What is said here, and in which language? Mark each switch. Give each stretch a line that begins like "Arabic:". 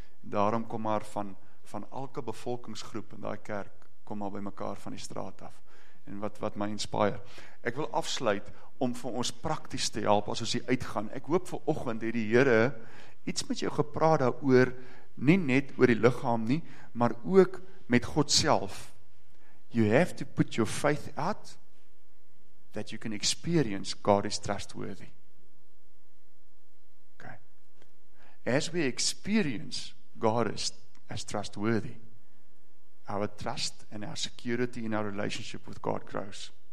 Afrikaans: En daarom kom maar van elke bevolkingsgroep in daai kerk, kom maar by mekaar van die straat af. En wat my inspire. Ek wil afsluit om vir ons prakties te help as ons hier uitgaan. Ek hoop vir oggend het die Here iets met jou gepraat daaroor, nie net oor die liggaam nie, maar ook met God self.
English: You have to put your faith out that you can experience God is trustworthy. Okay. As we experience God is trustworthy, our trust and our security in our relationship with God grows.